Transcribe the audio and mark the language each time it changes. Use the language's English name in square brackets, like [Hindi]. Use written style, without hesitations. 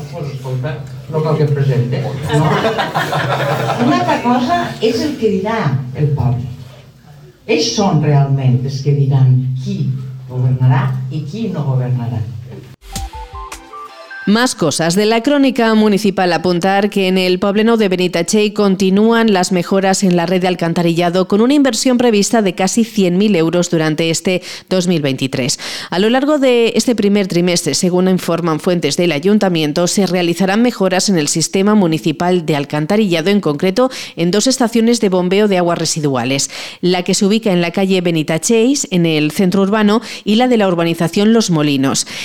[Catalan] pues escolta, no cal que et presente. No? Una altra cosa és el que dirà el poble. Ells són realment els que diran qui governarà i qui no governarà. [Spanish] Más cosas de la crónica municipal. Apuntar que en el Poblenou de Benitatxell continúan las mejoras en la red de alcantarillado con una inversión prevista de casi 100.000 euros durante este 2023. A lo largo de este primer trimestre, según informan fuentes del ayuntamiento, se realizarán mejoras en el sistema municipal de alcantarillado, en concreto en 2 estaciones de bombeo de aguas residuales, la que se ubica en la calle Benitatxell, en el centro urbano, y la de la urbanización Los Molinos.